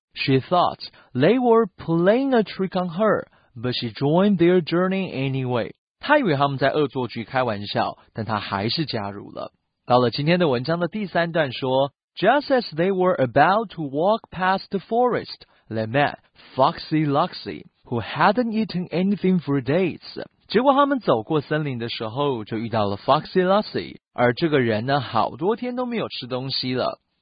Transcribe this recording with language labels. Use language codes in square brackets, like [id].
[en] She thought they were playing a trick on her, but she joined their journey anyway. [zh] 她以为他们在恶作剧开玩笑，但她还是加入了。到了今天的文章的第三段说， [en] Just as they were about to walk past the forest, they met Foxy Loxy, who hadn't eaten anything for days. [zh] 结果他们走过森林的时候就遇到了 Foxy Loxy, 而这个人呢好多天都没有吃东西了。